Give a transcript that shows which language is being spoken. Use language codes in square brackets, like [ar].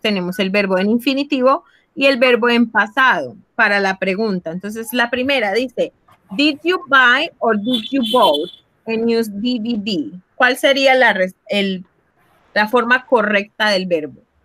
[es] Tenemos el verbo en infinitivo y el verbo en pasado para la pregunta. Entonces, la primera dice, [en] did you buy or did you bought a new DVD? [es] ¿Cuál sería la, la forma correcta del verbo?